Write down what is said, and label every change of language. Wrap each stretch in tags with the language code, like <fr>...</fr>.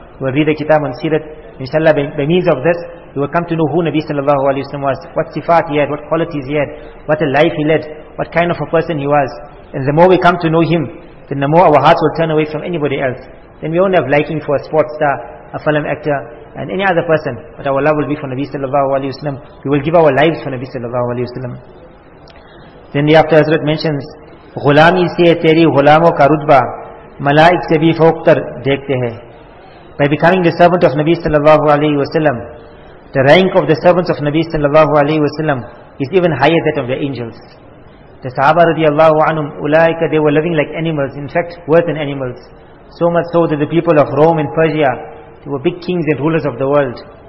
<en>We will read the Kitab on Sirat, inshallah by means of this, we will come to know who Nabi sallallahu alayhi wa sallam was, what sifat he had, what qualities he had, what a life he led, what kind of a person he was. And the more we come to know him, then the more our hearts will turn away from anybody else. Then we won't have liking for a sports star, a film actor, and any other person, but our love will be for Nabi sallallahu alayhi wa sallam. We will give our lives for Nabi sallallahu alayhi wa sallam. Then the after Hazrat mentions,</en> <ur>غلامی سے تیری غلاموں کا رتبہ ملائک سے بھی فوقتر دیکھتے ہیں.</ur> <en>By becoming the servant of Nabi sallallahu alayhi wa sallam, the rank of the servants of Nabi sallallahu alayhi wa sallam is even higher than that of the angels. The Sahaba radiallahu anhum, ulaika, they were living like animals, in fact, worse than animals. So much so that the people of Rome and Persia, they were big kings and rulers of the world.</en>